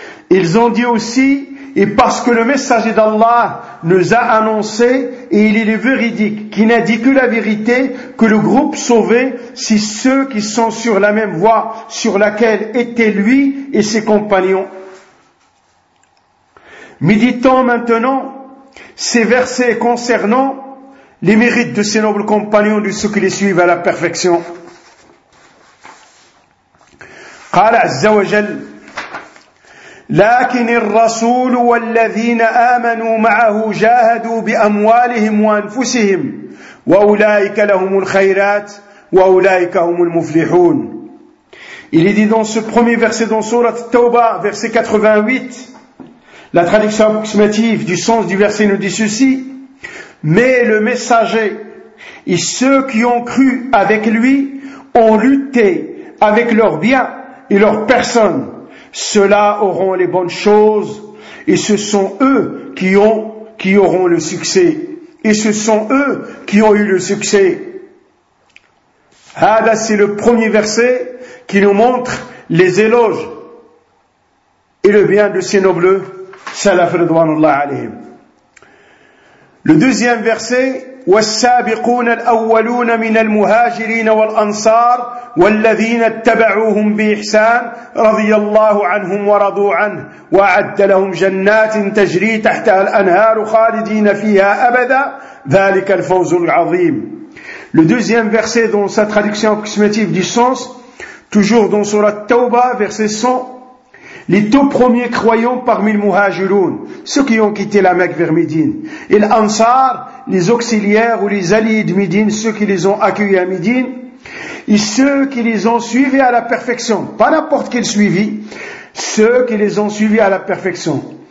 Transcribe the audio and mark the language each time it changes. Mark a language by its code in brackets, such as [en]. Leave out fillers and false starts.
[fr] Ils ont dit aussi, et parce que le messager d'Allah nous a annoncé, et il est le véridique, qui n'a dit que la vérité, que le groupe sauvé, c'est ceux qui sont sur la même voie sur laquelle étaient lui et ses compagnons. Méditons maintenant ces versets concernant les mérites de ces nobles compagnons de ceux qui les suivent à la perfection. [ar] قال عز وجل لكن الرسول والذين آمنوا معه جاهدوا بأموالهم وأنفسهم وأولئك لهم الخيرات وأولئك هم المفلحون. [fr] Il est dit dans ce premier verset dans sourate Tauba, verset 88, la traduction approximative du sens du verset nous dit ceci: mais le messager et ceux qui ont cru avec lui ont lutté avec leurs biens et leurs personnes. Ceux-là auront les bonnes choses et ce sont eux qui auront le succès. Et ce sont eux qui ont eu le succès. Ah, là, c'est le premier verset qui nous montre les éloges et le bien de ces nobles salaf ridwanullah alayhim. Le deuxième verset, [ar] والسابقون الأولون من المهاجرين والأنصار والذين اتبعوهم بإحسان رضي الله عنهم ورضوا عنه وأعد لهم جنات تجري تحتها الأنهار خالدين فيها أبدا ذلك الفوز العظيم. [fr] Le deuxième verset dans sa traduction approximative du sens, toujours dans sourate Tauba, verset 100, les tout premiers croyants parmi les muhajiroun, ceux qui ont quitté la Mecque vers Médine, et l'ansar, les auxiliaires ou les alliés de Médine, ceux qui les ont accueillis à Médine, et ceux qui les ont suivis à la perfection, pas n'importe quel suivi, ceux qui les ont suivis à la perfection.